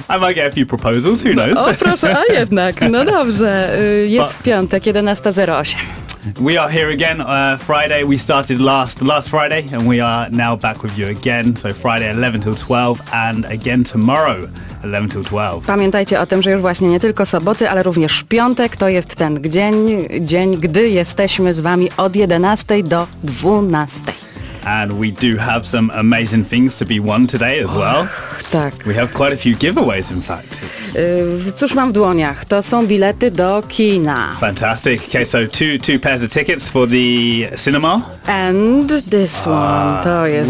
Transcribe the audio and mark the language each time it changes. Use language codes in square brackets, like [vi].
[en] I might get a few proposals. Who knows? [pl] O, proszę, a jednak. No dobrze. Jest piątek, 11:08. [en] We are here again, Friday. We started last Friday, and we are now back with you again. So Friday, 11 till 12, and again tomorrow. 11 till 12. [pl] Pamiętajcie o tym, że już właśnie nie tylko soboty, ale również piątek to jest ten dzień, gdy jesteśmy z wami od 11 do 12. [en] And we do have some amazing things to be won today as well. [pl] Tak. [en] We have quite a few giveaways, in fact. [pl] Cóż mam w dłoniach? To są bilety do kina. [en] Fantastic. Okay, so two pairs of tickets for the cinema. And this one. [pl] To jest